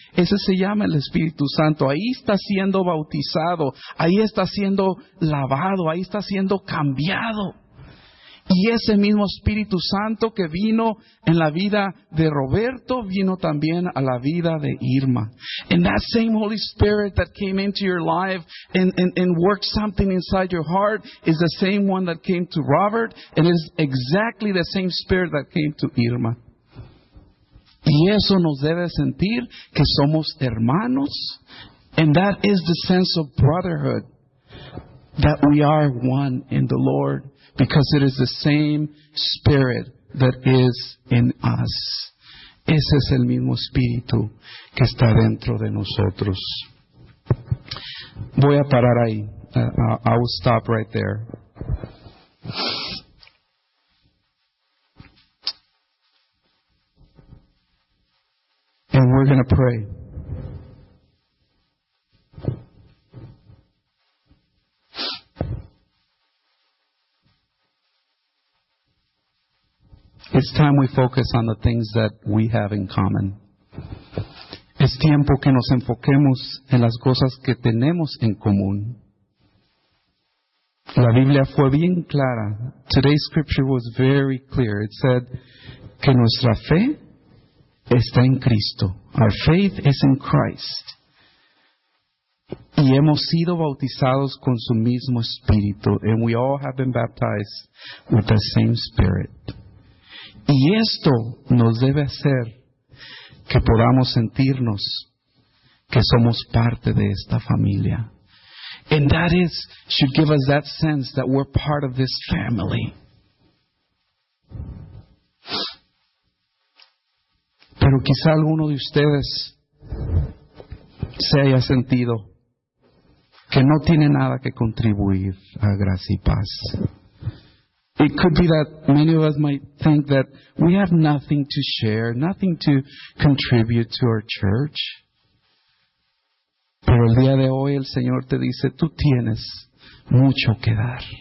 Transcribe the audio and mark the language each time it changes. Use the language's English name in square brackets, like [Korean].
[Spanish] Ese se llama el Espíritu Santo. Ahí está siendo bautizado, ahí está siendo lavado, ahí está siendo cambiado. Y ese mismo Espíritu Santo que vino en la vida de Roberto, vino también a la vida de Irma. [English] And that same Holy Spirit that came into your life and worked something inside your heart is the same one that came to Robert, and is exactly the same Spirit that came to Irma. [Spanish] Y eso nos debe sentir que somos hermanos. [English] And that is the sense of brotherhood, that we are one in the Lord. Because it is the same Spirit that is in us. [Spanish] Ese es el mismo Espíritu que está dentro de nosotros. Voy a parar ahí. [English] I will stop right there. And we're going to pray. It's time we focus on the things that we have in common. [Spanish] Es tiempo que nos enfoquemos en las cosas que tenemos en común. La Biblia fue bien clara. [English] Today's scripture was very clear. It said [Spanish] que nuestra fe está en Cristo. [English] Our faith is in Christ. [Spanish] y hemos sido bautizados con su mismo espíritu. [English] And we all have been baptized with the same spirit. [Spanish] Y esto nos debe hacer que podamos sentirnos que somos parte de esta familia. [English] And that is, should give us that sense that we're part of this family. [Spanish] Pero quizá alguno de ustedes se haya sentido que no tiene nada que contribuir a gracia y paz. [English] It could be that many of us might think that we have nothing to share, nothing to contribute to our church. [Spanish] Pero el día de hoy el Señor te dice, tú tienes mucho que dar.